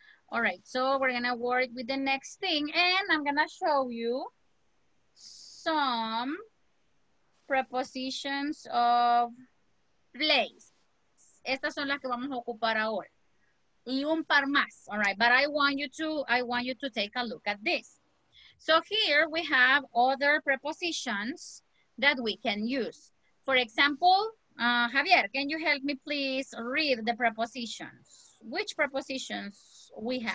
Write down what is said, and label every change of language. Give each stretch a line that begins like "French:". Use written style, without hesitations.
English: All right, so we're gonna work with the next thing and I'm gonna show you some prepositions of place.
Spanish: Estas son las que vamos a ocupar ahora. Y un par más,
English: all right? But I want you to take a look at this. So here we have other prepositions that we can use. For example, Javier, can you help me please read the prepositions? Which prepositions we have?